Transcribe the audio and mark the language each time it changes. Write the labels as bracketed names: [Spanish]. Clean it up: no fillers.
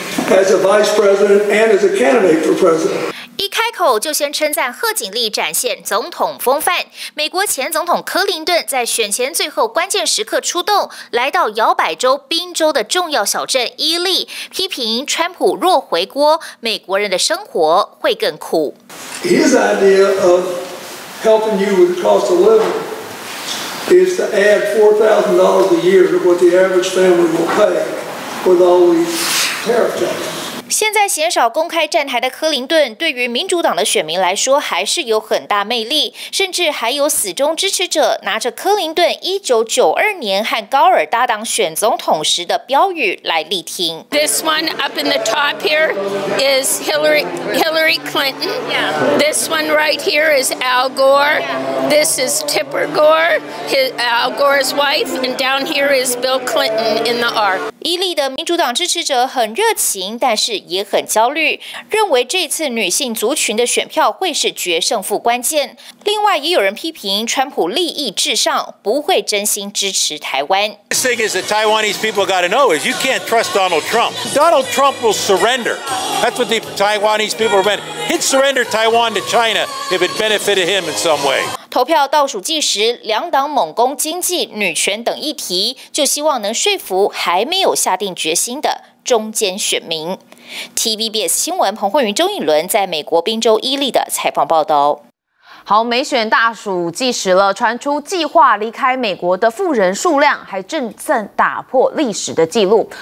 [English] As a vice president and as a candidate for president. [Chinese] 一开口就先称赞贺锦丽展现总统风范。美国前总统克林顿在选前最后关键时刻出动，来到摇摆州宾州的重要小镇伊利，批评川普若回国，美国人的生活会更苦。 [English] His idea of helping you with cost of living is to add $4,000 a year to what the average family will pay with all these tariff taxes. [Chinese] 现在鲜少公开站台的克林顿，对于民主党的选民来说还是有很大魅力，甚至还有死忠支持者拿着克林顿1992年和高尔搭档选总统时的标语来力挺。 [English] This one up in the top here is Hillary Clinton. This one right here is Al Gore. This is Tipper Gore, Al Gore's wife, and down here is Bill Clinton in the R. [Chinese] 伊利的民主党支持者很热情，但是也很焦虑，认为这次女性族群的选票会是决胜负关键。另外，也有人批评川普利益至上，不会真心支持台湾。 [English] The thing is that Taiwanese people got to know is you can't trust Donald Trump. Donald Trump will surrender. That's what the Taiwanese people meant. He'd surrender Taiwan to China if it benefited him in some way. [Chinese] 投票倒数计时，两党猛攻经济、女权等议题，就希望能说服还没有下定决心的中间选民。 TVBS 新闻彭慧云、周颖伦在美国宾州伊利的采访报道。好，美选大数计时了，传出计划离开美国的富人数量还正在打破历史的记录。